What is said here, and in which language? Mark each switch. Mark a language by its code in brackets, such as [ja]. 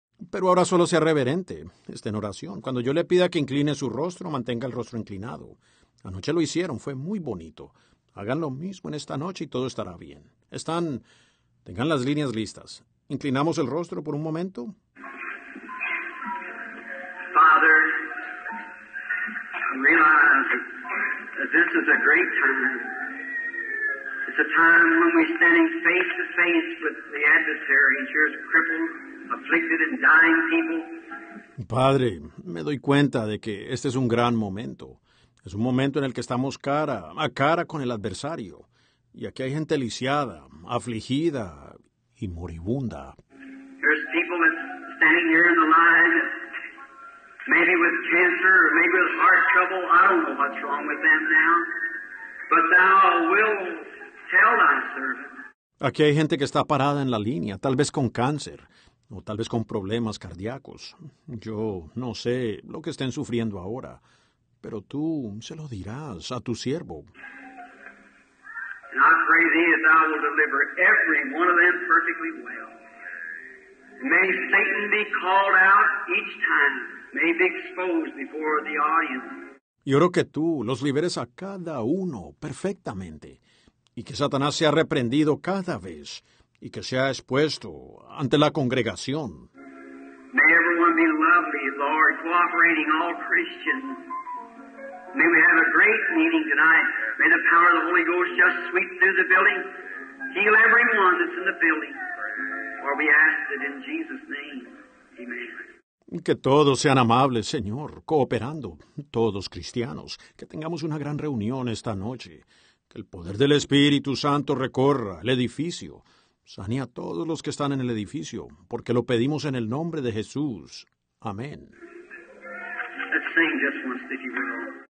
[es] Pero ahora solo sea reverente, esté en oración. Cuando yo le pida que incline su rostro, mantenga el rostro inclinado. Anoche lo hicieron, fue muy bonito. Hagan lo mismo en esta noche y todo estará bien. Están, tengan las líneas listas. Inclinamos el rostro por un momento. [en] Father, I realize that this is a great time. It's a time when we're standing face to face with the adversary, your crippled, afflicted and dying people. [es] Padre, me doy cuenta de que este es un gran momento. Es un momento en el que estamos cara a cara con el adversario. Y aquí hay gente lisiada, afligida y moribunda. [en] There's people standing here in the line, maybe with cancer, or maybe with heart trouble. I don't know what's wrong with them now. But thou will tell thy servant. [es] Aquí hay gente que está parada en la línea, tal vez con cáncer, o tal vez con problemas cardíacos. Yo no sé lo que estén sufriendo ahora. Pero tú se lo dirás a tu siervo. [en] And I pray thee as I will deliver every one of them perfectly well. May Satan be called out each time. May be exposed before the audience. [es] Y oro que tú los liberes a cada uno perfectamente. Y que Satanás sea reprendido cada vez. Y que sea expuesto ante la congregación. [en] May everyone be lovely, Lord, cooperating all Christians. May we have a great meeting tonight. May the power of the Holy Ghost just sweep through the building. Heal everyone that's in the building. For we ask it in Jesus' name. Amen. [es] Que todos sean amables, Señor, cooperando, todos cristianos. Que tengamos una gran reunión esta noche. Que el poder del Espíritu Santo recorra el edificio. Sane a todos los que están en el edificio, porque lo pedimos en el nombre de Jesús. Amén. [en] Let's sing just once, if you will.